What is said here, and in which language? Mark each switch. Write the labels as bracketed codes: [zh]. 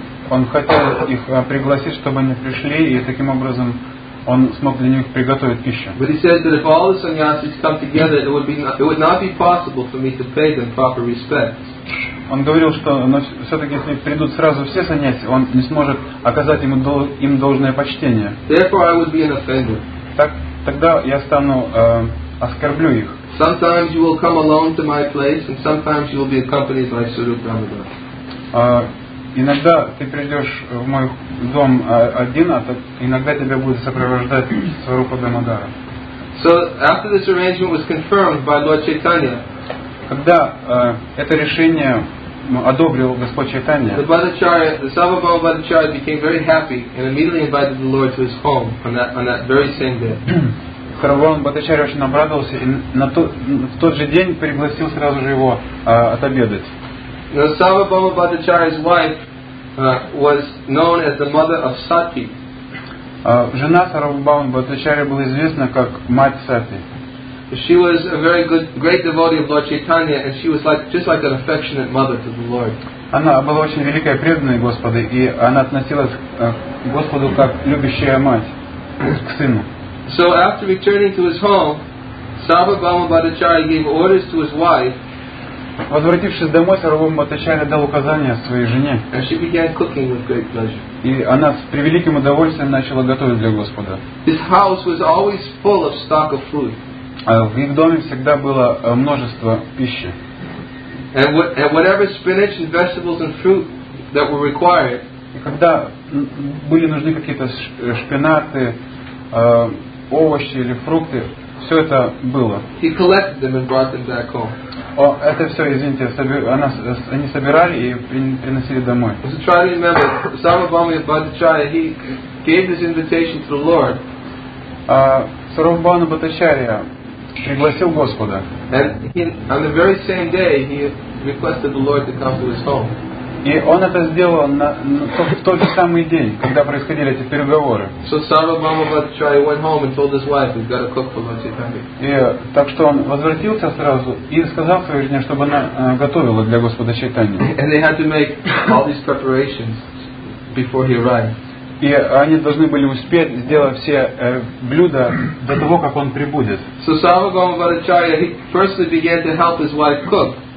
[ru] Он хотел их пригласить, чтобы они пришли, и таким образом он смог для них приготовить пищу. [en] But he said that if all the sannyasis come together, it would not be possible for me to pay them proper respect. [ru] Он говорил, что все-таки если придут сразу все саньяси, он не сможет оказать им должное почтение. [en] Therefore, I would be an offender. [ru] Тогда я стану оскорблю их. [en] Sometimes you will come alone to my place, and sometimes you will be accompanied by Suru Brahmadas. [ru] Иногда ты придешь в мой дом один, а так иногда тебя будет сопровождать Сварупа Дамодара. [en] So after this arrangement was confirmed by Lord Chaitanya, [ru] когда это решение одобрил Господь Чайтанья, [en] the Sava Bhava Bhattacharya became very happy and immediately invited the Lord to his home on that very same day. [ru] Сарвабхаума Бхаттачарья очень обрадовался и в тот же день пригласил сразу же его отобедать. [en] Now, Sarvabhauma Bhattacharya's wife was known as the mother of Sati. [ru] Жена Сарвабхаума Бхаттачарья была известна как мать Сати. [en] She was a very good, great devotee of Lord Chaitanya, and she was like just like an affectionate mother to the Lord. [ru] Она была очень великая преданная Господу, и она относилась к Господу как любящая мать к сыну. [en] So after returning to his home, Sarvabhauma Bhattacharya gave orders to his wife. [ru] Возвратившись домой, Сарвабхаума Бхаттачарья дал указания своей жене. [en] And she began cooking with great pleasure. [ru] И она с превеликим удовольствием начала готовить для Господа. [en] His house was always full of stock of food. [ru] В их доме всегда было множество пищи. [en] And whatever spinach and vegetables and fruit that were required. [ru] И когда были нужны какие-то шпинаты, овощи или фрукты, все это было. [en] He collected them and brought them back home. [ru] О, это все, извините, они собирали и приносили домой. [en] So try to remember, Sarvabhauma Bhattacharya, he gave this invitation to the Lord. [ru] Сарвабхаума Бхаттачарья пригласил Господа. [en] And on the very same day, he requested the Lord to come to his home. [ru] И он это сделал в тот же самый день, когда происходили эти переговоры. [en] So Sarvabhauma Bhattacharya went home and told his wife, "We've got to cook for Lord Chaitanya." [ru] Так что он возвратился сразу и сказал своей жене, чтобы она готовила для Господа Чайтанья. [en] And they had to make all these preparations before he arrived. [ru] И они должны были успеть сделать все блюда до того, как он прибудет. [en] So Sarvabhauma Bhattacharya firstly began to help his wife cook.